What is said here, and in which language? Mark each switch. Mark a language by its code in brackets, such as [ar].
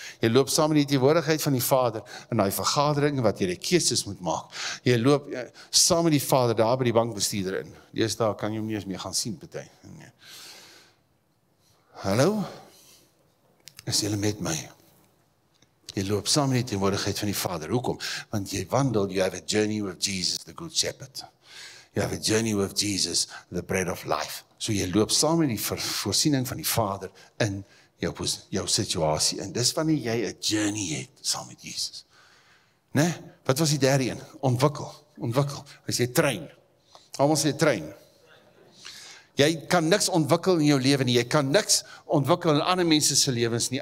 [af] Jy loop saam met die teenwoordigheid van die Vader in daai vergadering wat jy die keuses moet maak. Jy loop saam met die Vader daar by die bankbestuurder in. Dis daar kan jy hom nie eens meer gaan sien party. Nee. Hallo? Is jy met my? Jy loop saam met die teenwoordigheid van die Vader. Hoekom? Want jy wandel, [en] you have a journey with Jesus, the good shepherd. You have a journey with Jesus, the bread of life. [af] So jy loop saam met die voorsiening van die Vader in jou situasie. En dis wanneer jy 'n journey het saam met Jesus. Né? Wat was die derde een? Ontwikkel. Hy sê train. Almal sê train. Jy kan niks ontwikkel in jou lewe nie. Jy kan niks ontwikkel in ander mense se lewens nie.